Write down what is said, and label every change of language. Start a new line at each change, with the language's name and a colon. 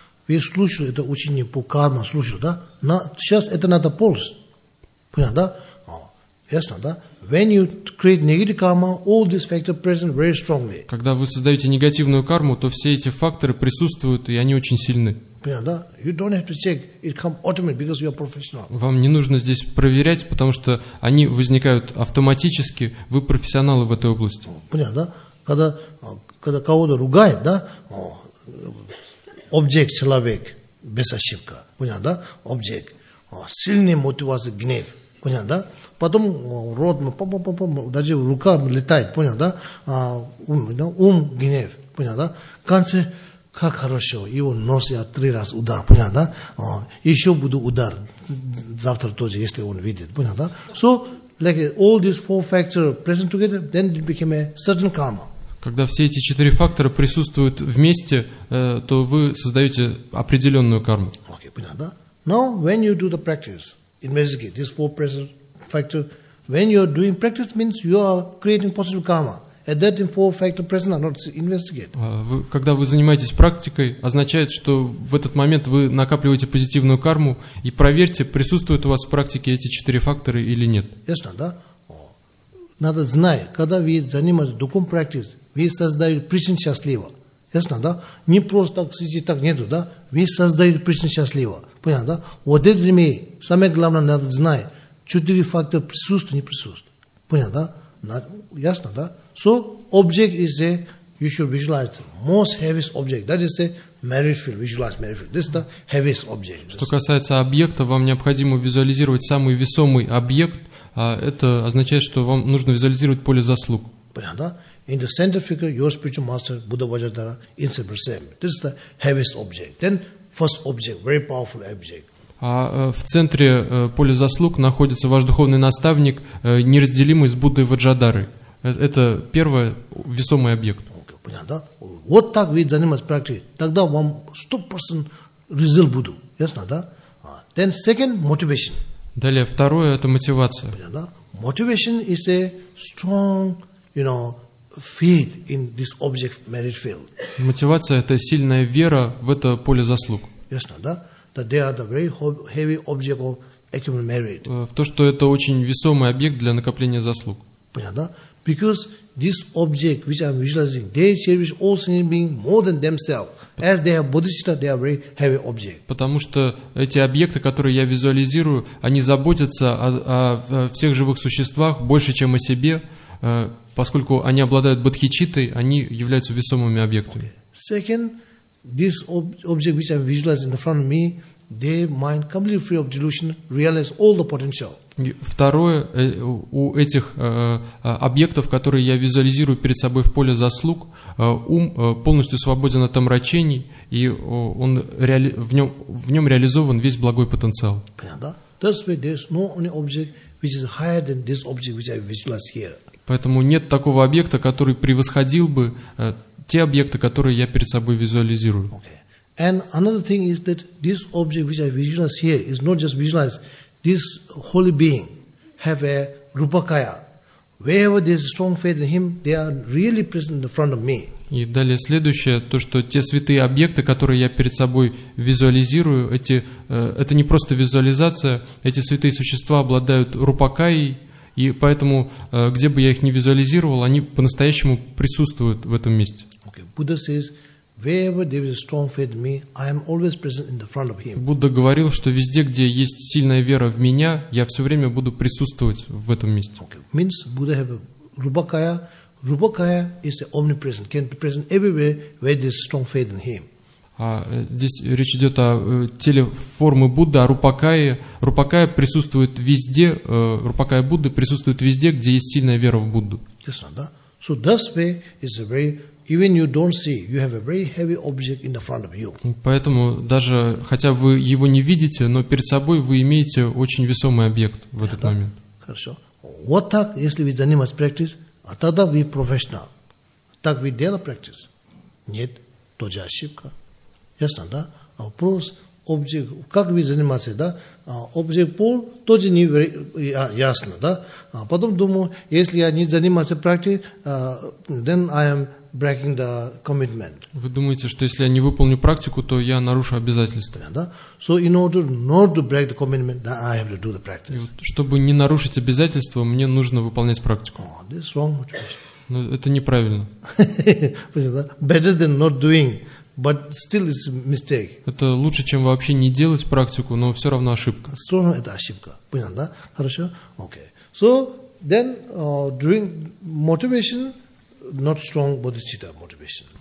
Russian: Вы слушали это учение по карме, слушали, да? Сейчас это надо полностью. Понятно, да? Ясно, да?
English: When you create negative karma, all these factors present very strongly.
Russian: Когда вы создаете негативную карму, то все эти факторы присутствуют, и они очень сильны. Понятно, да?
English: You don't have to check. It comes automatically because you are professional.
Russian: Вам не нужно здесь проверять, потому что они возникают автоматически. Вы профессионалы в этой области. Понятно, да? Когда кого-то ругает, да? Объект, человек, без ошибка. Понятно, да? Объект. Сильная мотивация, гнев. Понятно, да? Потом рот, даже рука летает, понял, да? Ум, гнев, понял, да? В конце, как хорошо, его нос я три раза удар, понял, да? Еще буду удар завтра тоже, если он видит, понял, да?
English: So, like all these four factors present together, then it became a certain karma.
Russian: Когда все эти четыре фактора присутствуют вместе, то вы создаете определенную карму. Окей, понял, да?
English: Now, when you do the practice, investigate these four present factor. When you are doing practice, means you are creating positive karma. At that time, four factor present are not investigate.
Russian: Когда вы занимаетесь практикой, означает, что в этот момент вы накапливаете позитивную карму, и проверьте, присутствуют у вас в практике эти четыре фактора или нет. Ясно, да? Надо знать, когда вы занимаетесь духом практикой, вы создаете причину счастлива. Ясно, да? Не просто так сидеть, так нету, да? Вы создаете причину счастлива. Понятно, да? Вот это время, самое главное, надо знать, четыре фактора присутствуют, не присутствуют. Понятно, да? Ясно, да?
English: So, object is a, you should visualize the most heaviest object. That is a merit-filled, visualize merit-filled. This is the heaviest object.
Russian: Что касается объекта, вам необходимо визуализировать самый весомый объект. Это означает, что вам нужно визуализировать поле заслуг. Понятно, да?
English: In the center figure, your spiritual master, Buddha Vajradhara, in the same. This is the heaviest object. Then, first object, very powerful object.
Russian: А в центре поля заслуг находится ваш духовный наставник, неразделимый с Буддой Ваджадары. Это первый весомый объект. Понятно, да? Вот так вы занимаетесь практикой. Тогда вам 100% результат будет. Ясно, да?
English: Then second, motivation.
Russian: Далее, второе, это мотивация. Понятно, да?
English: Motivation is a strong, you know, faith in this object merit field.
Russian: Мотивация – это сильная вера в это поле заслуг. Ясно, да?
English: That they are the very heavy object of accumulated merit.
Russian: В то, что это очень весомый объект для накопления заслуг. Понятно, да?
English: Because this object which I'm visualizing, they cherish all sentient beings more than themselves. As they have bodhicitta, they are very heavy object.
Russian: Потому что эти объекты, которые я визуализирую, они заботятся о всех живых существах больше, чем о себе, поскольку они обладают бодхичиттой, они являются весомыми объектами.
English: Okay. Second, this object which I'm visualizing in front of me, their mind completely free of delusion realize all the potential.
Russian: Второе, у этих объектов, которые я визуализирую перед собой в поле заслуг, ум полностью свободен от омрачений, и он в нем реализован весь благой потенциал. Понятно? Поэтому нет такого объекта, который превосходил бы те объекты, которые я перед собой визуализирую.
English: Okay. And another thing is that this object which I visualize here is not just visualized. This holy being have a rupakaya. Wherever there is strong faith in him, they are really present in front of me.
Russian: И далее следующее, то, что те святые объекты, которые я перед собой визуализирую, это не просто визуализация, эти святые существа обладают рупакаей, и поэтому, где бы я их ни визуализировал, они по-настоящему присутствуют в этом месте.
English: Okay. Buddha says, wherever there is a strong faith in me, I am always present in the front of him.
Russian: Будда говорил, что везде, где есть сильная вера в меня, я все время буду присутствовать в этом месте.
English: Okay. Means Buddha have a rupakaya. Rupakaya is omnipresent, can be present everywhere where there is strong faith in him.
Russian: А здесь речь идет о теле формы Будды, о рупакае. Рупакая присутствует везде, рупакая Будды присутствует везде, где есть сильная вера в Будду. Ясно, да?
English: So this way is a very, even you don't see, you have a very heavy object in the front of you.
Russian: Поэтому даже хотя вы его не видите, но перед собой вы имеете очень весомый объект в этот момент. Хорошо. Вот так, если вы занимаетесь практикой, а тогда вы профессионал. Так вы делаете практику. Нет, тоже ошибка. Ясно, да? А вопрос, объект, как вы занимаетесь, да? А объект пол тоже не ясно, да? А потом думаю, если я не занимаюсь практикой,
English: then I am breaking the commitment.
Russian: Вы думаете, что если я не выполню практику, то я нарушу обязательства? Да?
English: So in order not to break the commitment, then I have to do the practice.
Russian: Вот, чтобы не нарушить обязательства, мне нужно выполнять практику.
English: Oh, this is wrong choice.
Russian: Но это неправильно.
English: Better than not doing. But still it's a mistake.
Russian: Это лучше, чем вообще не делать практику, но все равно ошибка. Сложно это ошибка. Понятно, да? Хорошо? Okay.
English: So then during motivation, not strong bodhicitta motivation.